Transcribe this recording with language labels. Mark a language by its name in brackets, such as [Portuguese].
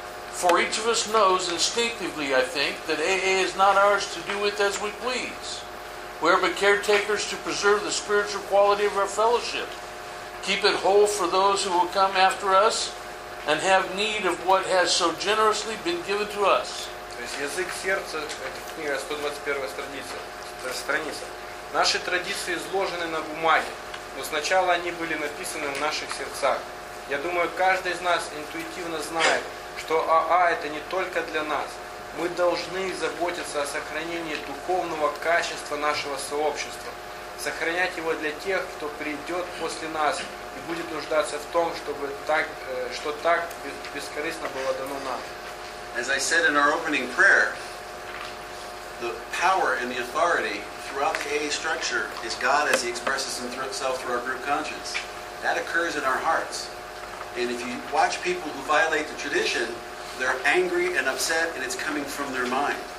[English] For each of us knows instinctively, I think, that AA is not ours to do with as we please. We are but caretakers to preserve the spiritual quality of our fellowship, keep it whole for those who will come after us, and have need of what has so generously been given to us. [Russian] Язык сердца, книга 121 страница. Наши традиции изложены на бумаге, но сначала они были написаны в наших сердцах. Я думаю, каждый из нас интуитивно знает, что АА – это не только для нас. Мы должны заботиться о сохранении духовного качества нашего сообщества, сохранять его для тех, кто придет после нас и будет нуждаться в том, чтобы так, что так бескорыстно было дано нам. [English] As I said in our opening prayer, the power and the authority throughout the AA structure is God as He expresses Himself through our group conscience. That occurs in our hearts. And if you watch people who violate the tradition, they're angry and upset, and it's coming from their mind.